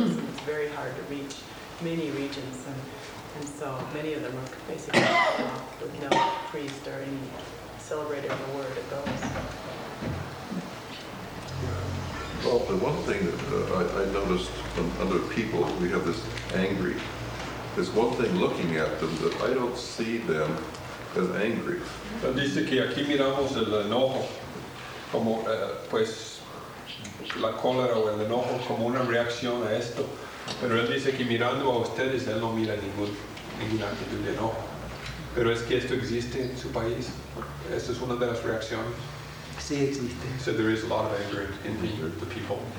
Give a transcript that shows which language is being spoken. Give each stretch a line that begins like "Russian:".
English: It's very hard to reach many regions, and so many of them are basically with no priest or any celebrated word to go. Well, the one thing that I noticed from other people, we have this angry. There's one thing looking at them that I don't see them as angry.
Spanish: Dice que aquí miramos el enojo como pues la cólera o el enojo como una reacción a esto. Pero él dice que mirando a ustedes él no mira ninguna actitud de enojo. Pero es que esto existe en su país. Esa es una de las reacciones. Sí, existe.
English: So there is a lot of anger in the people.